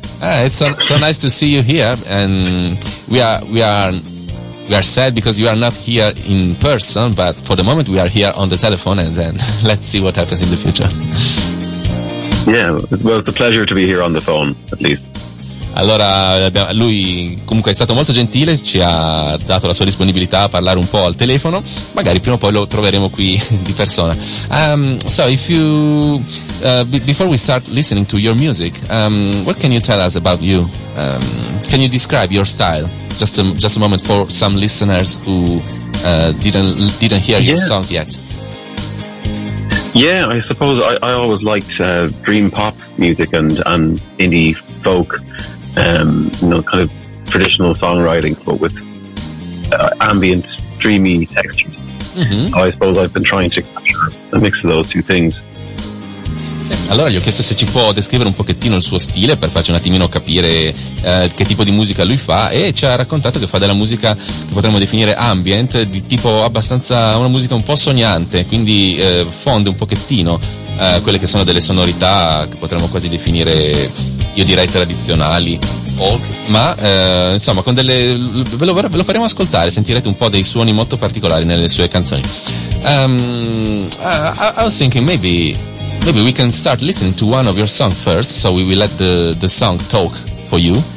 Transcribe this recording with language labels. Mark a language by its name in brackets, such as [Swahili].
[English] It's so nice to see you here, and we are sad because you are not here in person. But for the moment, we are here on the telephone, and then let's see what happens in the future. Yeah, well, it's a pleasure to be here on the phone, at least. [Italian] Allora, lui comunque è stato molto gentile, ci ha dato la sua disponibilità a parlare un po' al telefono. Magari prima o poi lo troveremo qui di persona. [English] So, if you before we start listening to your music, what can you tell us about you? Can you describe your style? Just a moment for some listeners who didn't hear your songs yet. Yeah, I suppose I always liked dream pop music and indie folk. Kind of traditional songwriting, but with ambient, dreamy textures. Mm-hmm. I suppose I've been trying to capture a mix of those two things. [Italian] Allora gli ho chiesto se ci può descrivere un pochettino il suo stile per farci un attimino capire che tipo di musica lui fa, e ci ha raccontato che fa della musica che potremmo definire ambient, di tipo abbastanza, una musica un po' sognante, quindi fonde un pochettino quelle che sono delle sonorità che potremmo quasi definire, io direi, tradizionali, ma insomma con delle, ve lo faremo ascoltare, sentirete un po' dei suoni molto particolari nelle sue canzoni. [English] I was thinking maybe we can start listening to one of your songs first, so we will let the song talk for you.